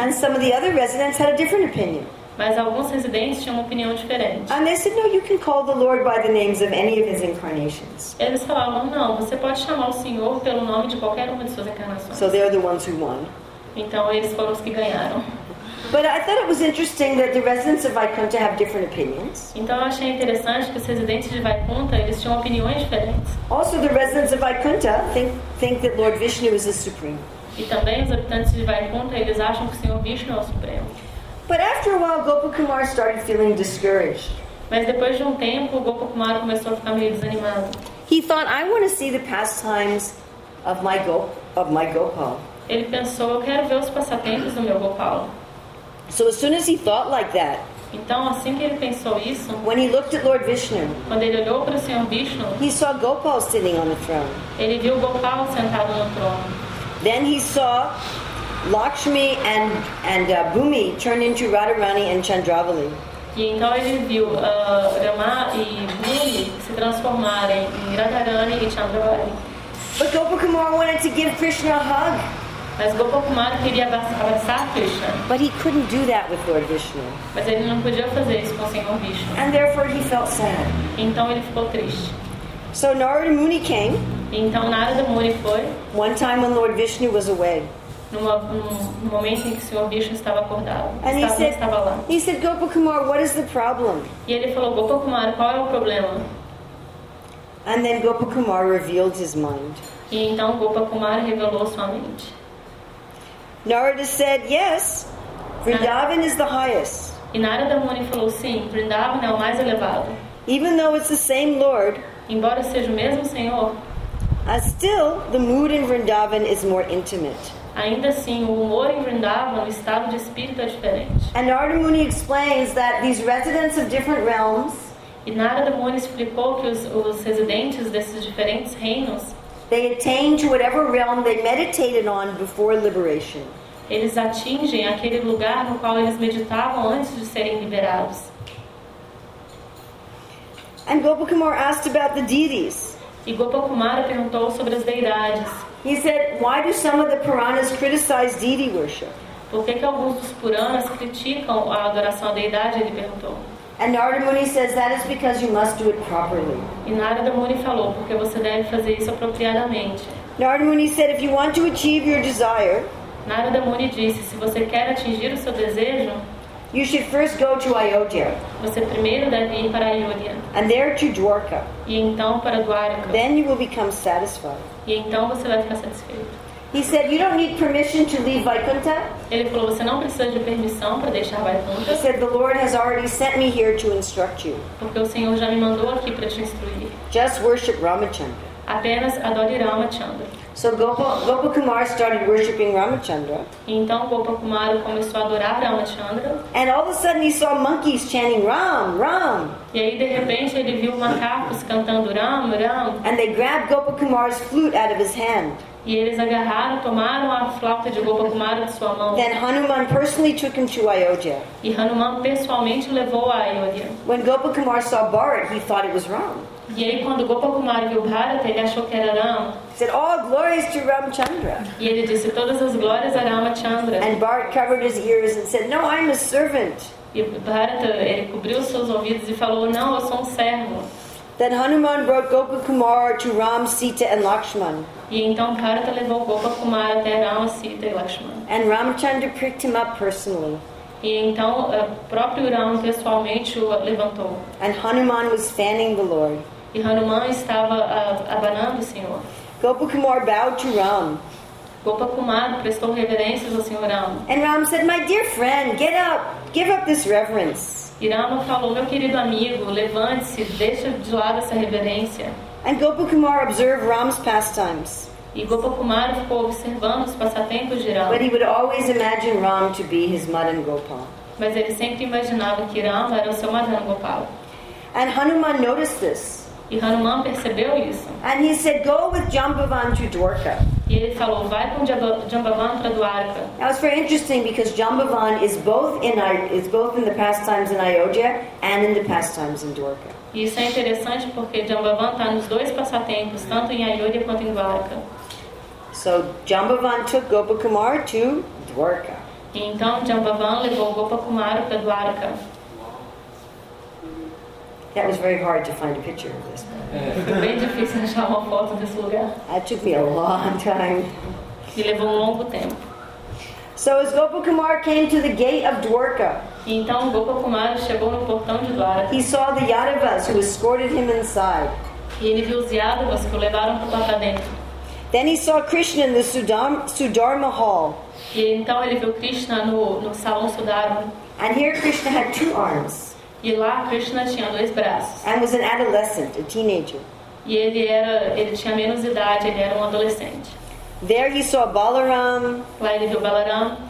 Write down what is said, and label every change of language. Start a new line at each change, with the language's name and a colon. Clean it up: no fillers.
English: And some of the other residents had a different opinion.
Portuguese: Mas alguns residentes tinham uma opinião diferente.
English: And they said, no, you can call the Lord by the names of any of his incarnations.
Portuguese: Eles falavam, não, você pode chamar o Senhor pelo nome de qualquer uma de suas encarnações.
English: So they are the ones who won.
Portuguese: Então eles foram os que ganharam.
English: But I thought it was interesting that the residents of Vaikuntha have different opinions.
Portuguese: Então eu achei interessante que os residentes de Vaikuntha, eles tinham opiniões diferentes.
English: Also the residents of Vaikuntha think that Lord Vishnu is the supreme.
Portuguese: E também os habitantes de Vaikuntha, eles acham que o Senhor Vishnu é o supremo.
English: But after a while Gopal Kumar started feeling discouraged.
Portuguese: Mas depois de tempo Gopal Kumar começou a ficar meio desanimado.
English: He thought, I want to see the pastimes of my Gopal.
Portuguese: Ele pensou, eu quero ver os passatempos do meu Gopal.
English: So as soon as he thought like that,
Portuguese: então, assim que ele pensou isso,
English: when he looked at Lord Vishnu,
Portuguese: quando ele olhou para o Senhor Vishnu,
English: he saw Gopal sitting on the throne.
Portuguese: Ele viu Gopal sentado no trono.
English: Then he saw Lakshmi and Bhumi turn into Radharani and Chandravali.
Portuguese: E então ele viu Rama e Bhumi se transformarem em Radharani e Chandravali.
English: But Gopal Kumar wanted to give Krishna a hug.
Portuguese: Mas Gopakumara queria abraçar Krishna.
English: But he couldn't do that with Lord Vishnu.
Portuguese: Mas ele não podia fazer isso com o Senhor Vishnu.
English: And therefore he felt sad.
Portuguese: Então ele ficou triste.
English: So Narada Muni came.
Portuguese: Então Narada Muni foi.
English: One time when Lord Vishnu was away.
Portuguese: No momento em que o Senhor Vishnu estava acordado, estava lá.
English: He said, Gopakumara, what is the problem?
Portuguese: E ele falou, Gopakumara, qual é o problema?
English: And then Gopakumara revealed his mind.
Portuguese: E então Gopakumara revelou sua mente.
English: Narada said, yes, Vrindavan is the highest.
Portuguese: E Narada Muni falou, sim, Vrindavan é o mais elevado.
English: Even though it's the same Lord,
Portuguese: embora seja o mesmo Senhor,
English: still, the mood in Vrindavan is more intimate.
Portuguese: Ainda assim, o humor em Vrindavan, o estado de espírito é diferente.
English: And Narada Muni explains that these residents of different realms,
Portuguese: e Narada Muni explicou que os residentes desses diferentes reinos,
English: they attain to whatever realm they meditated on before liberation.
Portuguese: Eles atingem aquele lugar no qual eles meditavam antes de serem liberados.
English: And Gopakumara asked about the deities.
Portuguese: E Gopakumara perguntou sobre as deidades.
English: He said, why do some of the Puranas criticize deity worship?
Portuguese: Por que alguns dos Puranas criticam a adoração à deidade? Ele perguntou.
English: And Narada Muni says that is because you must do it properly.
Portuguese: E Narada Muni falou porque você deve fazer isso apropriadamente.
English: Narada Muni said if you want to achieve your desire,
Portuguese: Narada Muni disse se você quer atingir o seu desejo,
English: you should first go to Ayodhya.
Portuguese: Você primeiro deve ir para Ayodhya.
English: And there to Dwarka.
Portuguese: E então para Dwarka.
English: Then you will become satisfied.
Portuguese: E então você vai ficar satisfeito.
English: He said, "You don't need permission to leave Vaikuntha."
Portuguese: Ele falou, você não precisa de permissão para deixar Vaikuntha.
English: He said, "The Lord has already sent me here to instruct you."
Portuguese: Porque o Senhor já me mandou aqui para te instruir.
English: Just worship Ramachandra.
Portuguese: Apenas adore Ramachandra.
English: So Gopakumara started worshiping Ramachandra.
Portuguese: Então Gopakumara começou a adorar Ramachandra.
English: And all of a sudden he saw monkeys chanting Ram, Ram.
Portuguese: E aí de repente ele viu macacos cantando Ram, Ram.
English: And they grabbed Gopakumara's flute out of his hand.
Portuguese: E eles agarraram, tomaram a flauta de Gopakumara de sua mão.
English: Then Hanuman personally took him to Ayodhya.
Portuguese: E Hanuman pessoalmente levou a Ayodhya.
English: When Gopakumara saw Bharat, he thought it was Ram.
Portuguese: E aí quando Gopakumara viu Bharat, ele achou que era Ram.
English: He said, all glories to Ramchandra.
Portuguese: E ele disse, todas as glórias a Ramachandra.
English: And Bharat covered his ears and said, no, I'm a servant.
Portuguese: E Bharat, ele cobriu seus ouvidos e falou, não, eu sou um servo.
English: Then Hanuman brought Gopakumara to Ram, Sita, and Lakshman.
Portuguese: E então Bharata levou Gopakumara até Rama, Sita e Lakshman.
English: And Ramchandra picked him up personally.
Portuguese: E então o próprio Rama pessoalmente o levantou.
English: And Hanuman was fanning the Lord.
Portuguese: E Hanuman estava abanando o Senhor.
English: Gopakumara bowed to Ram.
Portuguese: Gopakumara prestou reverências ao Senhor Rama.
English: And Ram said, "My dear friend, get up, give up this reverence."
Portuguese: E Rama falou, meu querido amigo, levante-se, deixa de lado essa reverência.
English: And Gopakumara observed Ram's pastimes.
Portuguese: E Gopakumara ficou observando os passatempos de Rama.
English: But he would always imagine Ram to be his Madan Gopal.
Portuguese: Mas ele sempre imaginava que Rama era o seu Madan Gopal.
English: And Hanuman noticed this.
Portuguese: E Hanuman percebeu isso.
English: And he said, go with Jambavan to Dwarka.
Portuguese: E ele falou, vai com Jambavan para Dwarka.
English: That was very interesting because Jambavan is both in the pastimes in Ayodhya and in the pastimes in Dwarka.
Portuguese: Isso é interessante porque Jambavan está nos dois passatempos, tanto em Ayodhya quanto em Dwarka.
English: So Jambavan took Gopakumara to Dwarka.
Portuguese: Então Jambavan levou Gopakumara para Dwarka.
English: That was very hard to find a picture of this.
Portuguese: Bem difícil achar uma foto desse lugar.
English: That took me a long time.
Portuguese: E levou um longo tempo.
English: So as Gopakumara came to the gate of Dwarka,
Portuguese: então Gopakumara chegou no portão de Dwarka.
English: He saw the Yadavas who escorted him inside.
Portuguese: E ele viu os Yadavas que o levaram para dentro.
English: Then he saw Krishna in the Sudharma Hall.
Portuguese: E então ele viu Krishna no salão Sudharma.
English: And here Krishna had two arms.
Portuguese: E lá Krishna tinha dois braços.
English: And was an adolescent, a teenager.
Portuguese: E ele tinha menos idade, ele era um adolescente.
English: There he saw Balaram.
Portuguese: Lá ele viu Balaram.